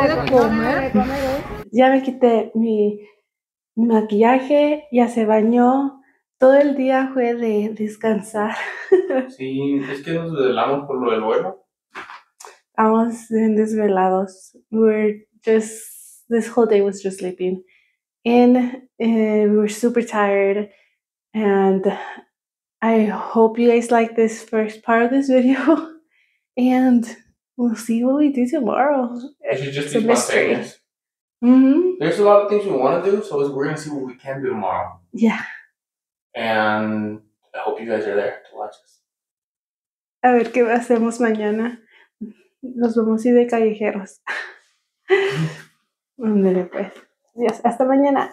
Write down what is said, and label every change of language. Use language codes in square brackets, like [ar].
[es] Comer. Ya me quité mi maquillaje, ya se bañó. Todo el día fue de descansar. Sí, es que nos desvelamos por lo del vuelo. Estamos en desvelados. [en] We're just, this whole day was just sleeping. And we were super tired. And I hope you guys like this first part of this video. And we'll see what we do tomorrow. It should just be a mystery. Mm-hmm. There's a lot of things we want to do, so we're going to see what we can do tomorrow. Yeah. And I hope you guys are there to watch us. [es] A ver qué hacemos mañana. Nos vamos a ir de callejeros. Ándale, pues. Adiós. Hasta mañana.